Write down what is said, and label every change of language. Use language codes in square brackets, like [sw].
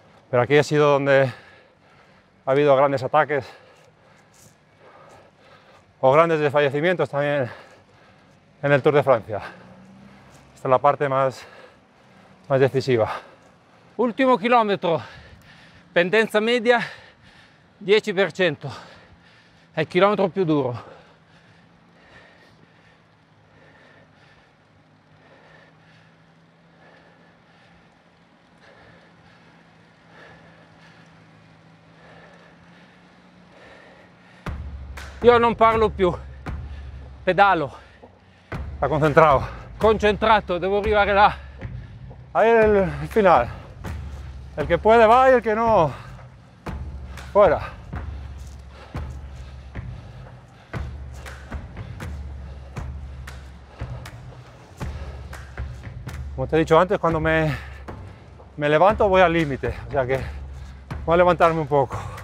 [es] Pero aquí ha sido donde ha habido grandes ataques o grandes desfallecimientos también en el Tour de Francia. Esta es la parte más decisiva. [it] Último kilómetro, pendenza media 10%, è il chilometro più duro. Io non parlo più, pedalo. Sta concentrato. Concentrato, devo arrivare là. [es] Ahí [it] è il finale. [es] El que puede va y el que no, fuera. Como te he dicho antes, cuando me levanto voy al límite, o sea que voy a levantarme un poco.